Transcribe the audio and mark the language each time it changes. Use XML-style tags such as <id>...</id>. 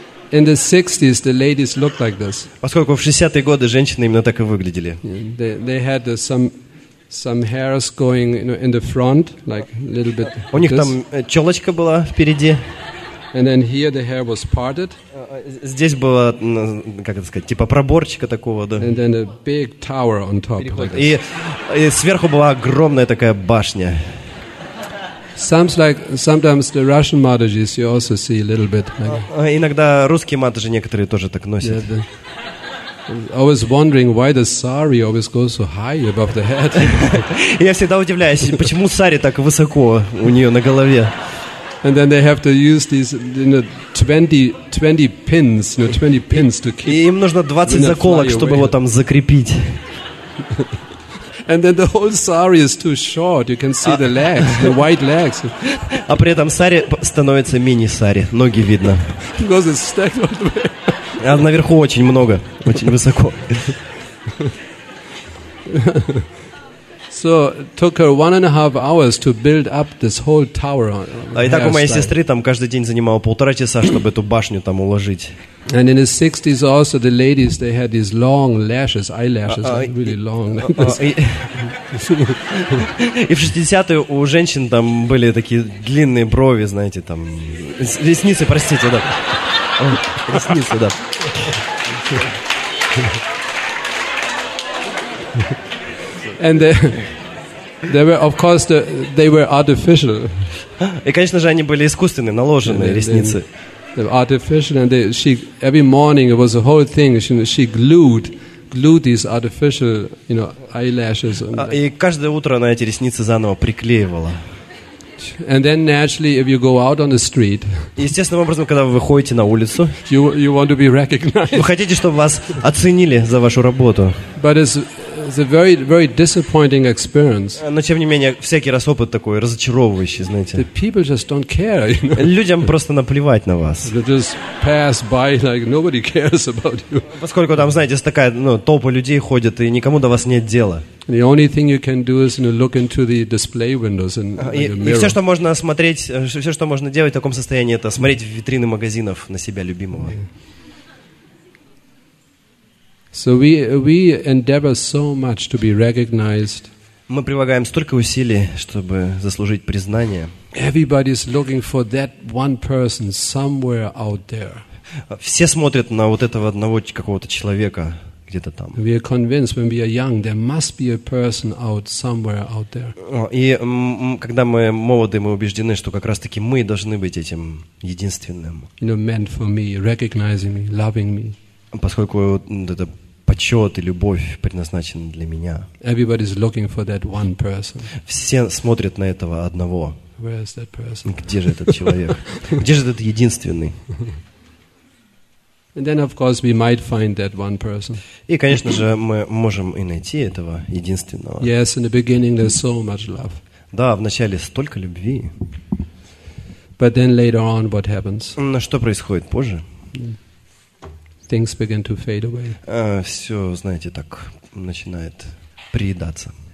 <en>In the 60s, the ladies looked like this.</en> <ru>Поскольку в 60-е годы женщины именно так и выглядели.</ru> <en>They had some hairs going, you know, in the front, like a little bit.</en> <ru>У них там челочка была впереди.</ru> <en>And then here the hair was parted.</en> <ru>Здесь было, как это сказать, типа проборчика такого, да.</ru> <en>And then a big tower on top.</en> <ru>И сверху была огромная такая башня.</ru> <en>Sometimes the Russian madrigals you also see a little bit.</en> <ru>Иногда русские мадриги некоторые тоже так носят.</ru> <en>I was wondering why the sari always goes so high above the head.</en> <ru>Я всегда удивляюсь, почему сари так высоко у нее на голове.</ru> <en>And then they have to use these, you know, 20 pins to keep.</en> <ru>Им нужно 20 заколок, чтобы его там закрепить.</ru> <en>And then the whole sari is too short. You can see the legs, the white legs.</en> <ru>А при этом сари становится мини-сари, ноги видно.</ru> <en>Because it's stacked all the way.</en> <ru>А наверху очень много, очень высоко.</ru> <en>So it took her 1.5 hours to build up this whole tower.</en> <ru>А и так у моей сестры там каждый день занимало полтора часа, чтобы эту башню там уложить.</ru> <en>And in the '60s also the ladies they had these long lashes, eyelashes, really long.</en> <ru>И в 60-е у женщин там были такие длинные брови, знаете, там ресницы, простите, да. Ресницы, да.</ru> <en>And they were artificial.</en> <ru>И, конечно же, они были искусственные, наложенные ресницы.</ru> <en>They were artificial, and every morning it was a whole thing. She glued these artificial, you know, eyelashes.</en> <ru>И каждое утро она эти ресницы заново приклеивала.</ru> <en>And then naturally, if you go out on the street,</en> <ru>естественным образом, когда вы выходите на улицу,</ru> <en>you want to be recognized.</en> <ru>Вы хотите, чтобы вас оценили за вашу работу.</ru> <en>But it's a very, very disappointing experience.</en> <ru>Но тем не менее, всякий раз опыт такой разочаровывающий, знаете.</ru> <en>The people just don't care.</en> <ru>Людям просто наплевать на вас.</ru> <en>They just pass by like nobody cares about you.</en> <ru>Поскольку там, знаете, такая, ну, толпа людей ходит, и никому до вас нет дела.</ru> <en>The only thing you can do is, you know, look into the display windows and mirror.</en> <ru>И все, что можно смотреть, все, что можно делать в таком состоянии, это смотреть в витрины магазинов на себя любимого.</ru> <en>So we endeavor so much to be recognized.</en> <ru>Мы прилагаем столько усилий, чтобы заслужить признание.</ru> <en>Everybody is looking for that one person somewhere out there.</en> <ru>Все смотрят на вот этого одного какого-то человека.</ru> <en>We are convinced when we are young there must be a person out somewhere out there.</en> <ru>И когда мы молоды, мы убеждены, что как раз-таки мы должны быть этим единственным.</ru> <en>You know, meant for me, recognizing me, loving me.</en> <ru>Поскольку это почет и любовь предназначены для меня.</ru> <en>Everybody is looking for that one person.</en> <ru>Все смотрят на этого одного.</ru> <en>Where is that person?</en> <ru>Где же этот человек? Где же этот единственный?</ru> <en>And then, of course, we might find that one person.</en> <ru>И, конечно же, мы можем и найти этого единственного.</ru> <en>Yes, in the beginning there's so much love.</en> <ru>Да, вначале столько любви.</ru> <en>But then later on, what happens?</en> <ru>Но что происходит позже?</ru> <en>Things begin to fade away.</en> <ru>Все, знаете, так начинает приедаться.</ru>